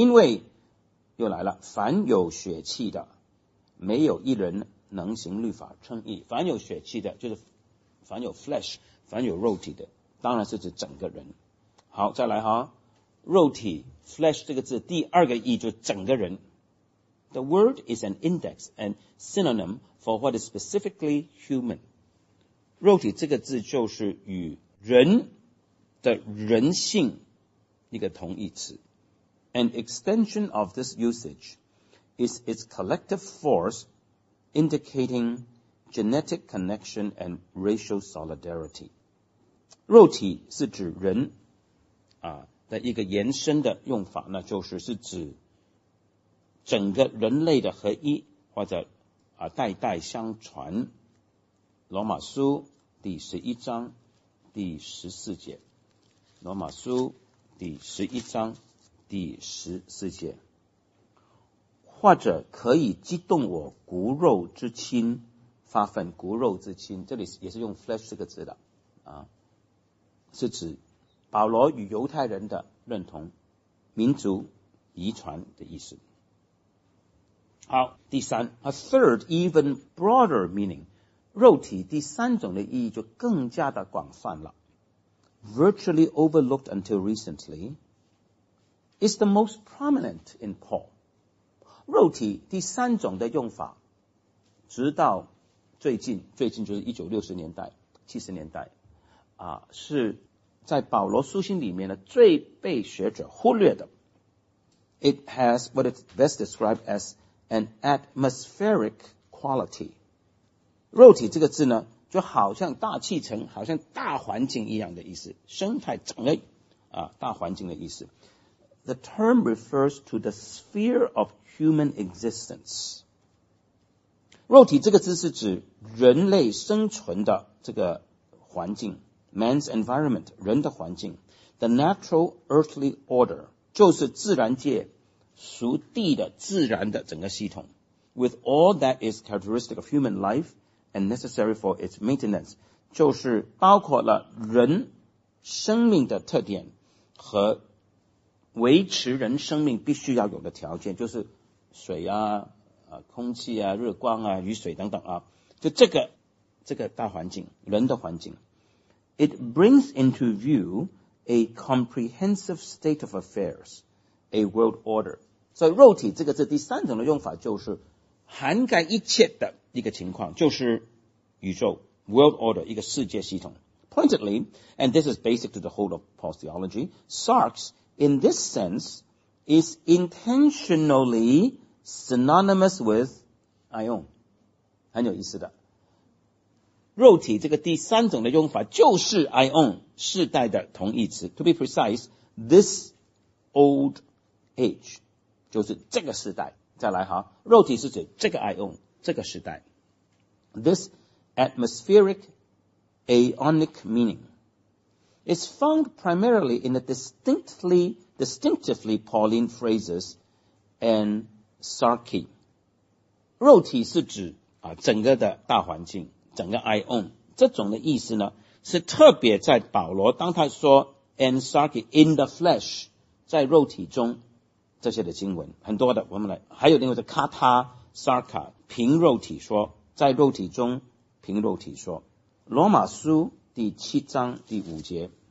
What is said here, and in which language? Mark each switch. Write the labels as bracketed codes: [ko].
[zh] 因为又来了，凡有血气的，没有一人能行律法称义。凡有血气的，就是凡有 flesh， 凡有肉体的，当然是指整个人。好，再来哈，肉体 flesh 这个字，第二个义就是整个人。 [en] The word is an index and synonym for what is specifically human. [zh] 肉体这个字就是与人的人性一个同义词。 [en] An extension of this usage is its collective force indicating genetic connection and racial solidarity. [zh] 肉体是指人的一个延伸的用法，那就是是指整个人类的合一，或者代代相传。罗马书第十一章第十四节，罗马书第十一章第十四节，或者可以激动我骨肉之亲发奋，骨肉之亲这里也是用 flesh 这个字的是指保罗与犹太人的认同民族遗传的意思。好，第三 ， [en] a third even broader meaning， [zh] 肉体第三种的意义就更加的广泛了。 [en] Virtually overlooked until recently， is the most prominent in Paul。 [zh] 肉体第三种的用法，直到最近就是1960年代、70年代，是在保罗书信里面的最被学者忽略的。 [en] It has what is best described as an atmospheric quality， [zh] 肉体这个字呢，就好像大气层，好像大环境一样的意思，生态整个啊大环境的意思。 [en] The term refers to the sphere of human existence. [zh] 肉体这个字是指人类生存的这个环境， [en] man's environment, [zh] 人的环境。 [en] The natural earthly order [zh] 就是自然界属地的自然的整个系统， [en] with all that is characteristic of human life and necessary for its maintenance， [zh] 就是包括了人生命的特点和维持人生命必须要有的条件，就是水啊、空气啊、日光啊、雨水等等啊，就这个大环境，人的环境。 [en] It brings into view a comprehensive state of affairs, a world order. [zh] 所以肉体这个字第三种的用法就是涵盖一切的一个情况，就是宇宙 [en] world order, [zh] 一个世界系统。 [en] Pointedly, and this is basic to the whole of Paul's theology, Sarks in this sense is intentionally synonymous with Ion. [zh] 很有意思的，肉体这个第三种的用法就是 Ion 世代的同义词。 [en] To be precise, this old age [zh] 就是这个时代。再来哈，肉体是指这个 Ion 这个时代。 [en] This atmospheric Aeonic meaning is found primarily in the distinctively Pauline phrases and sarki. [zh] 肉体是指啊整个的大环境，整个 Ion 这种的意思呢，是特别在保罗当他说 and sarki [en] in the flesh [zh] 在肉体中这些的经文很多的，我们来还有另外的 kata sarka 凭肉体说，在肉体中凭肉体说，罗马书第七章第五节，